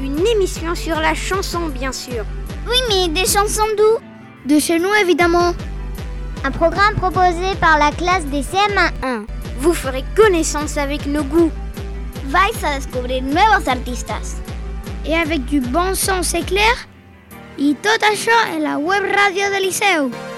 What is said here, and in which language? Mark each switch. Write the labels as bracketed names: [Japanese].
[French] Une émission sur la chanson, bien sûr. Oui, mais des chansons d'où ? De chez nous, évidemment. Un programme proposé par la classe des CM1. Vous ferez connaissance avec nos goûts. [Spanish] Vais a descubrir nuevos artistas. [French] Et avec du bon son, c'est clair ? [Spanish] Y todo eso en la web radio del Liceo.